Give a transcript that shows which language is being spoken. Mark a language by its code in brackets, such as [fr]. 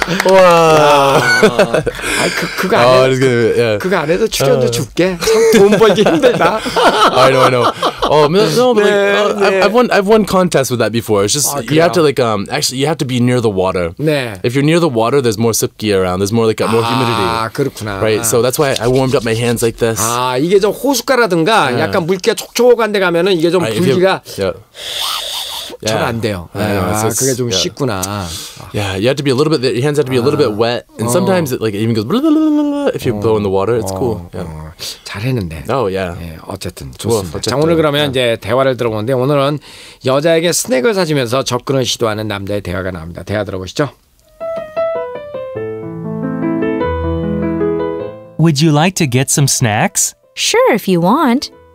[ko] 와아 그거 안 해도 그거 안 해도 출연도 줄게 돈 벌기 힘들다. [en] I know, I know. Oh, no, no, but 네, like, 네. I've won contests with that before. It's just you have to like actually you have to be near the water. [ko] 네. [en] If you're near the water, there's more [ko] 습기 [en] around. There's more like more humidity. [ko] 아 그렇구나. [en] Right, so that's why I warmed up my hands like this. [ko] 아 이게 좀 호숫가라든가 yeah. 약간 물기가 촉촉한 데 가면은 이게 좀 right, 불기가 잘 안 돼요. 아, 그게 좀 쉽구나. [en] Yeah, you have to be a little bit. Your hands have to be a little bit wet, and sometimes it like it even goes blah, blah, blah, blah, if you blow in the water. It's cool. Yeah. [ko] 잘했는데. [en] Oh yeah. [ko] 예, 어쨌든 좋습니다. 어쨌든. 자 오늘 그러면 이제 대화를 들어보는데 오늘은 여자에게 스낵을 사주면서 접근을 시도하는 남자의 대화가 나옵니다. 대화 들어보시죠. [en] Would you like to get some snacks? Sure, if you want.